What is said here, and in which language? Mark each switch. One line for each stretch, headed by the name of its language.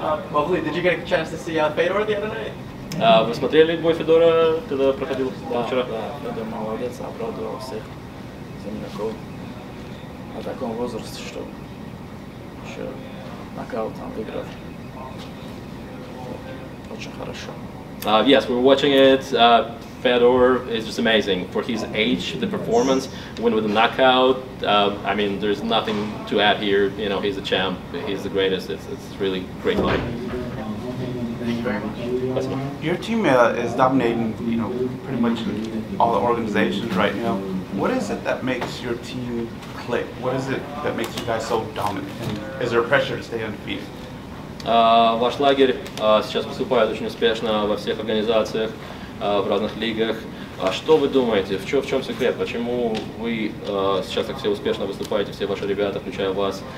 English: Movlid, did you get a chance to see Fedor the other night?
Russian: Вы смотрели бой Федора, когда проходил вчера? Да, Федор молодец, обрадовал всех земляков на таком возрасте, что еще нокаут там выиграл. Очень хорошо.
English: Yes, we're watching it. Fedor is just amazing for his age, the performance, win with a knockout. I mean, there's nothing to add here. You know, he's a champ. He's the greatest. It's really great fight. Thank you very much. Your team is dominating, you know, pretty much all the organizations right now. What is it that makes your team click? What is it that makes you guys so dominant? And is there pressure to stay undefeated?
Russian: Ваш лагерь сейчас выступает очень успешно во всех организациях, в разных лигах. Что вы думаете? В чем секрет? Почему вы сейчас так все успешно выступаете, все ваши ребята, включая вас?